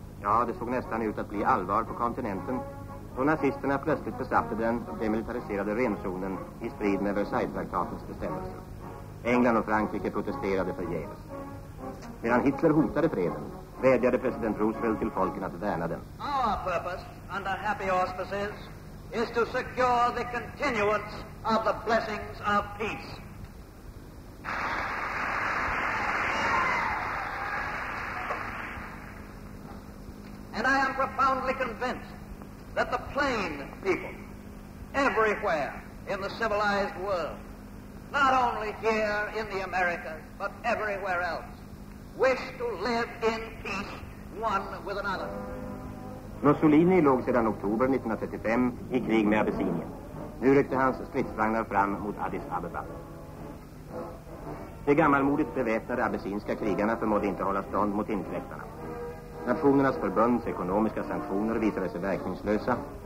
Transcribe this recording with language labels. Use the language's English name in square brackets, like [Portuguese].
[Swedish] Ja, det såg nästan ut att bli allvar på kontinenten. Och nazisterna plötsligt besatte den och demilitariserade renzonen i strid med Versailles-traktatens bestämmelser. England och Frankrike protesterade förgäves. Medan Hitler hotade freden, vädjade president Roosevelt till folken att värna den. [English] Our purpose, under happy auspices, is to secure the continuance of the blessings of peace. And I am profoundly convinced that the plain people, everywhere in the civilized world, not only here in the Americas, but everywhere else, wish to live in peace one with another. [Swedish] Mussolini låg sedan oktober 1935 i krig med Abessinien. Nu ryckte hans stridsvagnar fram mot Addis Abeba. De gammalmodigt beväpnade abessinska krigarna förmådde inte hålla stånd mot inkräktarna. Nationernas förbunds ekonomiska sanktioner visade sig verkningslösa.